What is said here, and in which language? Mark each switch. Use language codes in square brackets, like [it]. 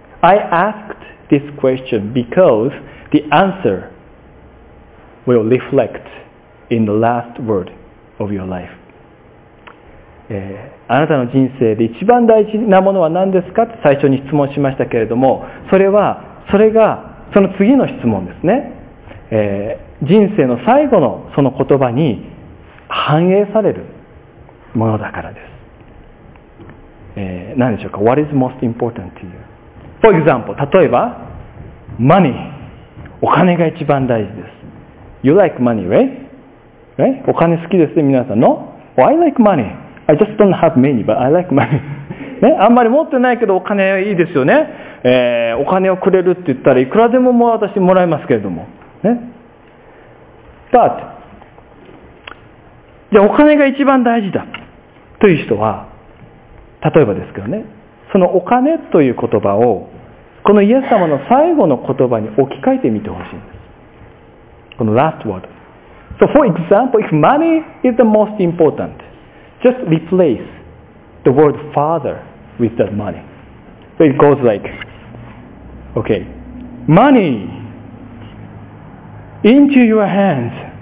[en] I asked this question because the answer will reflect in the last word of your life. [ja] あなたの人生で一番大事なものは何ですかと最初に質問しましたけれどもそれがその次の質問ですね、人生の最後のその言葉に反映されるものだからです。何でしょうか [en] ?What is most important to you?For example, [ja] 例えば、 [en] money. [ja] お金が一番大事です。 [en] You like money, right? [ja] お金好きですね、皆さん。 [en] No? Well, I like money.I just don't have many, but I like money. [ja] 、ね、あんまり持ってないけどお金いいですよね、お金をくれるって言ったらいくらでも私もらえますけれども。ね、 [en] But, [ja] じゃあお金が一番大事だという人は例えばですけどねそのお金という言葉をこのイエス様の最後の言葉に置き換えてみてほしいんですこの [en] last word So for example if money is the most important just replace the word father with that money. So it goes like, okay, money into your hands.